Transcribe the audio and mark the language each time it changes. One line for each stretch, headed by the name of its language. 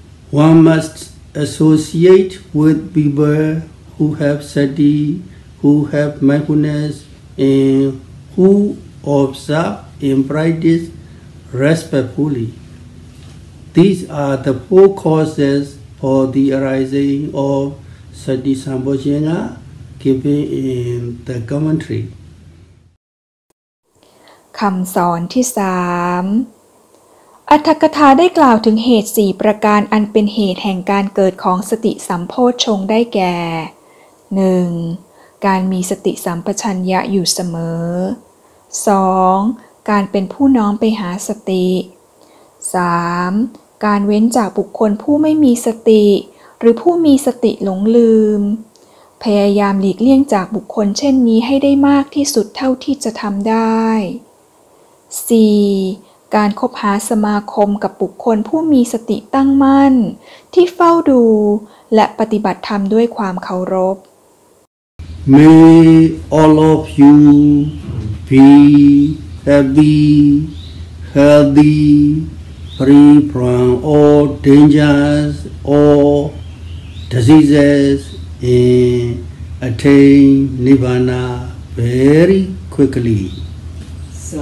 English: One must associate with people who have sati, who have mindfulness, and who observe and practice respectfully. These are the four causes for the arising of sati sampajanya given in the commentary.
Thai: คำสอนที่3อรรถกถาได้กล่าวถึงเหตุ4ประการอันเป็นเหตุแห่งการเกิดของสติสัมโพชฌงค์ได้แก่ 1. การมีสติสัมปชัญญะอยู่เสมอ 2. การเป็นผู้น้อมไปหาสติ 3. การเว้นจากบุคคลผู้ไม่มีสติหรือผู้มีสติหลงลืมพยายามหลีกเลี่ยงจากบุคคลเช่นนี้ให้ได้มากที่สุดเท่าที่จะทำได้4. การคบหาสมาคมกับบุคคลผู้มีสติตั้งมั่นที่เฝ้าดูและปฏิบัติธรรมด้วยความเคารพ
English: May all of you be happy, healthy, free from all dangers or diseases and attain Nirvana very quicklyS